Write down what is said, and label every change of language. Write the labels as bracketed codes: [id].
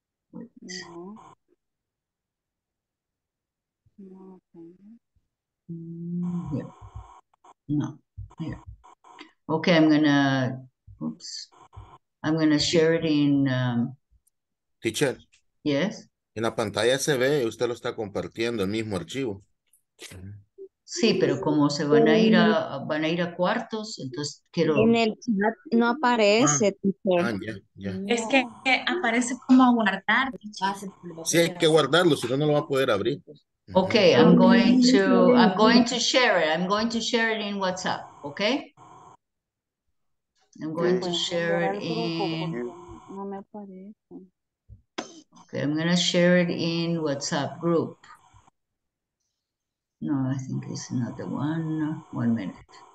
[en] What? No, yeah. Okay, I'm gonna, oops, I'm gonna share it in teacher. Yes, [es] en la pantalla se ve, usted lo está compartiendo el mismo archivo. Sí, pero como se van a ir a cuartos, entonces quiero. En el chat no aparece. Es que aparece como guardar. Sí, hay que guardarlo, si no, no lo va a poder abrir. [en] Okay, I'm going to share it. I'm going to share it in WhatsApp, okay? I'm going to share it in. [es] No me aparece. [en] Okay, I'm gonna share it in WhatsApp group. No, I think it's another one. 1 minute.